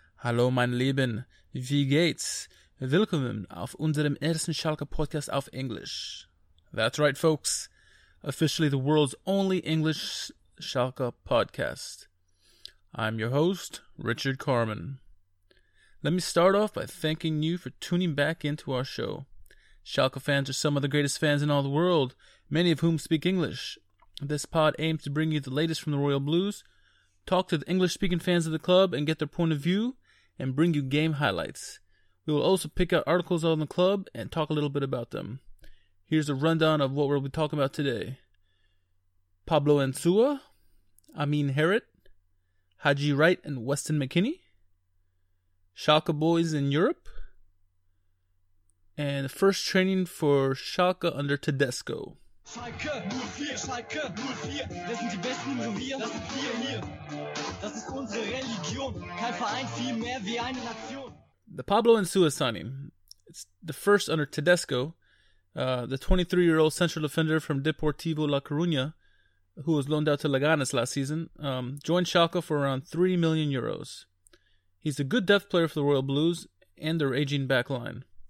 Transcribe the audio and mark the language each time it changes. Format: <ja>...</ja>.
<de>Hallo mein Lieben, wie geht's? Willkommen auf unserem ersten Schalke-Podcast auf Englisch.</de> <en>That's right, folks. Officially the world's only English Schalke podcast. I'm your host, Richard Carman. Let me start off by thanking you for tuning back into our show. Schalke fans are some of the greatest fans in all the world, many of whom speak English. This pod aims to bring you the latest from the Royal Blues, talk to the English-speaking fans of the club and get their point of view, and bring you game highlights. We will also pick out articles on the club and talk a little bit about them. Here's a rundown of what we'll be talking about today. Pablo Ansua, Amin Harit, Haji Wright and Weston McKennie, Schalke boys in Europe, and the first training for Schalke under Tedesco.</en> <de>Schalke 04, Schalke 04, wir sind die Besten im Revier, das sind wir hier, das ist unsere Religion, kein Verein viel mehr wie eine Nation.</de> <en>The Pablo Ansua signing, it's the first under Tedesco. The 23-year-old central defender from Deportivo La Coruña, who was loaned out to Leganés last season, joined Schalke for around 3 million euros. He's a good depth player for the Royal Blues and their aging back line.</en>